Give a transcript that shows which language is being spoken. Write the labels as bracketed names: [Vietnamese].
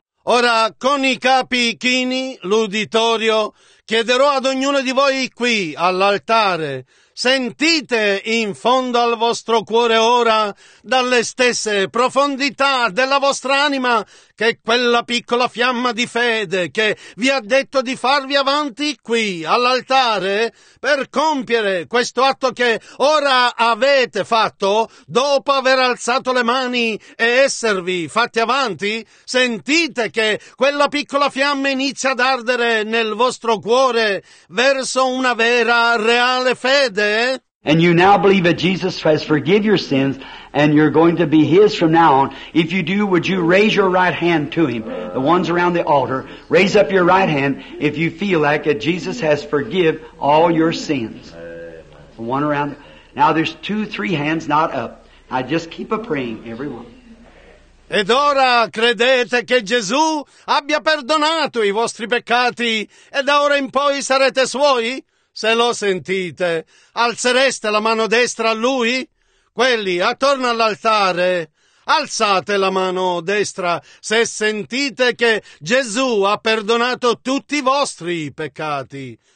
[Italian] Ora con i capi chini, l'uditorio, chiederò ad ognuno di voi qui all'altare, sentite in fondo al vostro cuore ora, dalle stesse profondità della vostra anima, che quella piccola fiamma di fede che vi ha detto di farvi avanti qui all'altare per compiere questo atto che ora avete fatto dopo aver alzato le mani e esservi fatti avanti, sentite che quella piccola fiamma inizia ad ardere nel vostro cuore verso una vera, reale fede. [English] And you now believe that Jesus has forgiven your sins and you're going to be His from now on. If you do, would you raise your right hand to Him? The ones around the altar, raise up your right hand if you feel like that Jesus has forgiven all your sins. The one around. Now there's two, three hands not up. I just keep a praying, everyone. [Italian] Ed ora credete che Gesù abbia perdonato i vostri peccati e da ora in poi sarete suoi? Se lo sentite, alzereste la mano destra a Lui? Quelli attorno all'altare, alzate la mano destra se sentite che Gesù ha perdonato tutti i vostri peccati.